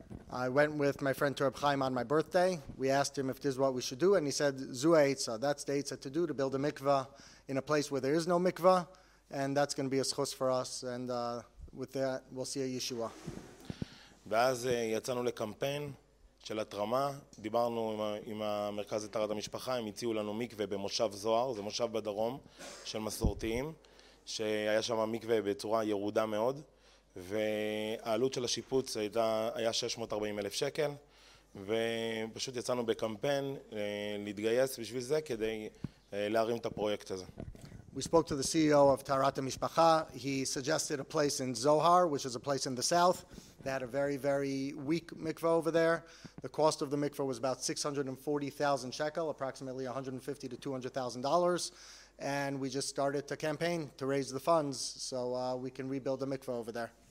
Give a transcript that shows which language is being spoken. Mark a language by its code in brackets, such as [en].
[en] I went with my friend to Reb Chaim on my birthday. We asked him if this is what we should do, and he said, Zu Eitza, that's the Eitza to do, to build a mikvah in a place where there is no mikvah, and that's going to be a schos for us, and with that, we'll see a Yeshua. [he] ואז יצאנו לקמפיין של התרמה, דיברנו עם המרכז לתרת המשפחה, הם הציעו לנו מקווה במושב זוהר, זה מושב בדרום של מסורתיים, שהיה שם מקווה בצורה ירודה מאוד, והעלות של השיפוץ היה 640 אלף שקל, ופשוט יצאנו בקמפיין להתגייס בשביל זה כדי להרים את הפרויקט הזה. [en] We spoke to the CEO of Tarat HaMishpacha. He suggested a place in Zohar, which is a place in the south. They had a very, very weak mikveh over there. The cost of the mikveh was about 640,000 shekel, approximately $150,000 to $200,000. And we just started a campaign to raise the funds so we can rebuild the mikveh over there.